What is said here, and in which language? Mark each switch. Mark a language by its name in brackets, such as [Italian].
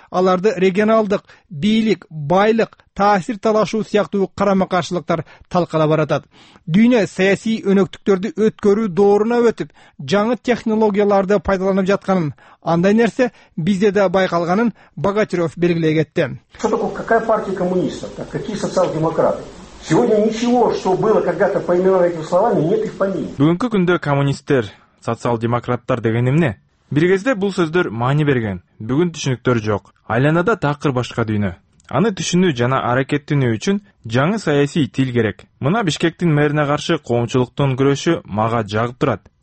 [Kyrgyz] Аларды регионалдык, бийлик, байлык, таасир талашуу сыяктуу карама каршылыктар талкалап баратат. Дүйнө саясий өнөктүктөрдү өткөрүү дооруна өтүп, жаңы технологияларды пайдаланып жатканын, андай нерсе бизде да байкалганын Богатырев белгилей кетти. [Russian] Что такое, какая партия коммунистов, какие социал-демократы? Сегодня ничего, что было когда-то поименовано этими словами, нет их помимо. [Kyrgyz] Бүгүнкү күндө коммунисттер, социал-демократтар деген эмне? Бир кезде бул сөздөр маани берген. Бүгүн түшүнүктөр жок. Айланада такыр башка дүйнө. Аны түшүнүү жана аракеттенүү үчүн жаңы саясий тил керек. Мына Бишкектин мэрине каршы коомчулуктун күрөшү мага жагып турат.